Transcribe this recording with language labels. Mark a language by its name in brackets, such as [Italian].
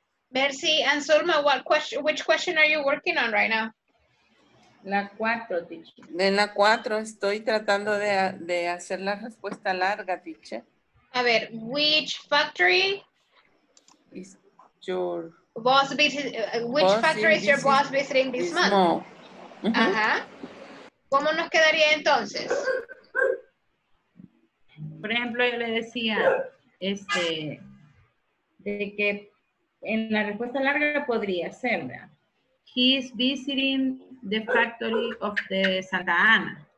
[English] Mercy and Zulma, what question, which question are you working on right now? [Spanish] La cuatro, teacher. En la cuatro estoy tratando de hacer la respuesta larga, teacher. A ver, [English] which factory is your boss visiting, which boss factory is your boss visiting this month? [Spanish] Ajá. ¿Cómo nos quedaría entonces? Por ejemplo, yo le decía, de que en la respuesta larga podría ser, ¿verdad? [English] He's visiting the factory of the Santa Ana.